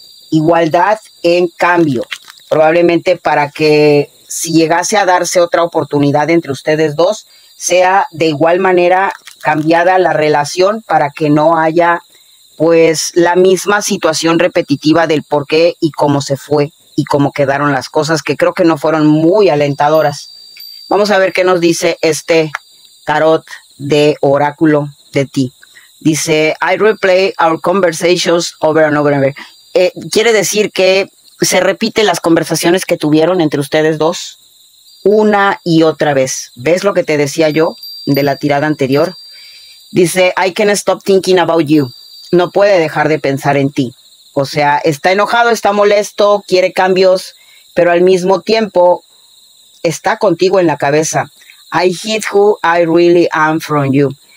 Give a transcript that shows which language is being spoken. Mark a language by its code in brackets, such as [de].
[es] Igualdad en cambio, probablemente para que si llegase a darse otra oportunidad entre ustedes dos, sea de igual manera cambiada la relación para que no haya pues la misma situación repetitiva del por qué y cómo se fue y cómo quedaron las cosas, que creo que no fueron muy alentadoras. Vamos a ver qué nos dice este tarot de oráculo de ti. Dice, [en] I replay our conversations over and over and over. [es] Quiere decir que se repiten las conversaciones que tuvieron entre ustedes dos una y otra vez. ¿Ves lo que te decía yo de la tirada anterior? Dice, [en] I can't stop thinking about you. [es] No puede dejar de pensar en ti. O sea, está enojado, está molesto, quiere cambios, pero al mismo tiempo está contigo en la cabeza. [en] I hate who I really am from you.